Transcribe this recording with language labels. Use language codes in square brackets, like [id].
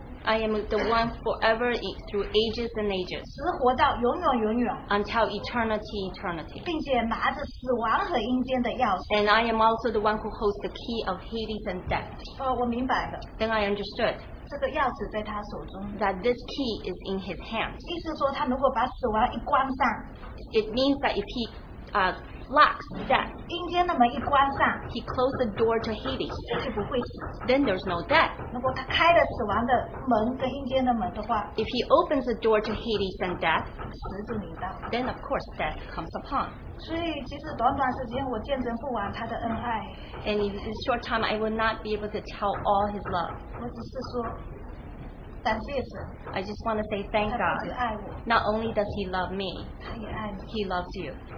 [en] I am the one forever through ages and ages. [zh] 直活到永远永远, [en] until eternity. [zh] 并且拿着死亡和阴间的钥匙, [en] and I am also the one who holds the key of Hades and death. [zh] 我明白了, [en] then I understood. [zh] 这个钥匙在他手中, [en] that this key is in his hand. [zh] 意思说他如果把死亡一关上, [en] it means that if he locks death, [zh] 阴间那么一关上, [en] he closed the door to Hades, [zh] 就不会死, [en] then there's no death. [zh] 如果他开了死亡的门跟阴间的门的话, [en] if he opens the door to Hades and death, [zh] 死就领到, [en] then of course death comes upon. [zh] 所以其实短短时间我见证不完他的恩爱, [en] and in this short time I will not be able to tell all his love. [zh] 我只是说, [en] I just want to say thank God. Not only does he love me, he loves you.